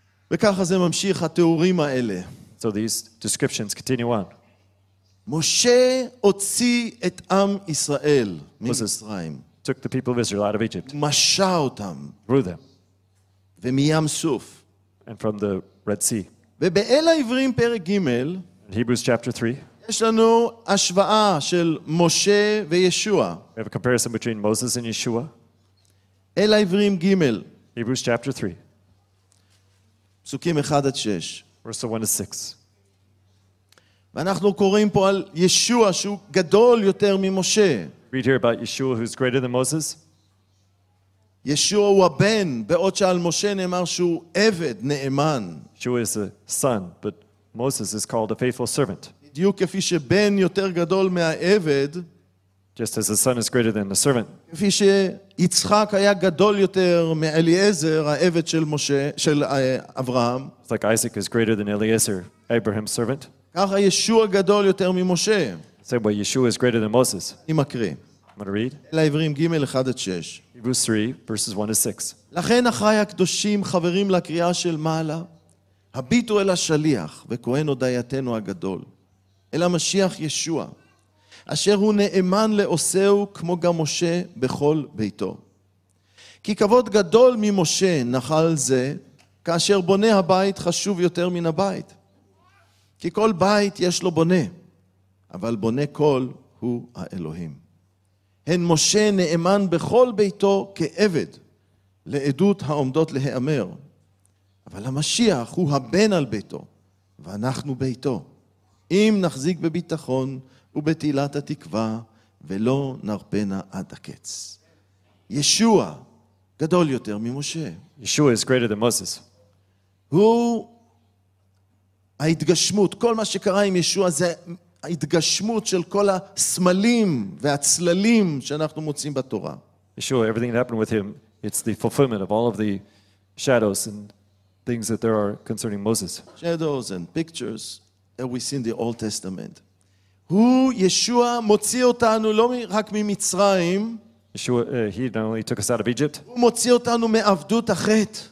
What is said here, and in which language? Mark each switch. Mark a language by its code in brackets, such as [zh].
[he] וככה זה ממשיך התיאורים האלה. [en] So these descriptions continue on. [he] משה הוציא את עם ישראל ממצרים. [en] Moses took the people of Israel out of Egypt. [he] משה אותם. [en] Through them. [he] ומים סוף. [en] And from the Red Sea. [he] ובאל העברים פרק ג' [en] In Hebrews chapter 3. [he] יש לנו השוואה של משה וישוע. [en] We have a comparison between Moses and Yeshua. [he] אל העברים ג' [en] Hebrews chapter 3. [he] פסוקים 1 עד 6. [en] Verse 1 to 6. [he] ואנחנו קוראים פה על ישוע שהוא גדול יותר ממשה. [en] Read here about Yeshua who's greater than Moses. [he] ישוע הוא הבן, בעוד שעל משה נאמר שהוא עבד נאמן. [en] Yeshua is a son, but Moses is called a faithful servant. [he] בדיוק כפי שבן יותר גדול מהעבד, [en] just as a son is greater than a servant. [he] כפי שיצחק היה גדול יותר מאליעזר, העבד של משה, של אברהם. [en] It's like Isaac is greater than Eliezer, Abraham's servant. [he] ככה ישוע גדול יותר ממשה. [en] Say, well, Yeshua is greater than Moses. [he] אני מקריא. [en] I'm going to read. [he] לעברים ג' 1 עד 6. [en] Hebrews 3, verses 1 to 6. [he] לכן אחי הקדושים חברים לקריאה של מעלה, הביטו אל השליח וכהן הודייתנו הגדול. אל המשיח ישוע, אשר הוא נאמן לעושהו כמו גם משה בכל ביתו. כי כבוד גדול ממשה נחל זה, כאשר בונה הבית חשוב יותר מן הבית. כי כל בית יש לו בונה, אבל בונה כל הוא האלוהים. הן משה נאמן בכל ביתו כעבד, לעדות העומדות להיאמר. אבל המשיח הוא הבן על ביתו, ואנחנו ביתו. אם נחזיק בביטחון ובתהילת התקווה ולא נרפנה עד הקץ. ישוע גדול יותר ממשה. [en] ישוע is greater than Moses. [he] הוא ההתגשמות, כל מה שקרה עם ישוע זה ההתגשמות של כל הסמלים והצללים שאנחנו מוצאים בתורה. [en] ישוע, everything that happened with him, it's the fulfillment of all of the shadows and things that there are concerning Moses. Shadows and pictures. That we see in the Old Testament. [he] Who Yeshua מוציא אותנו לא רק ממצרים. [en] Yeshua, he not only took us out of Egypt. [he] הוא מוציא אותנו מעבדות החטא.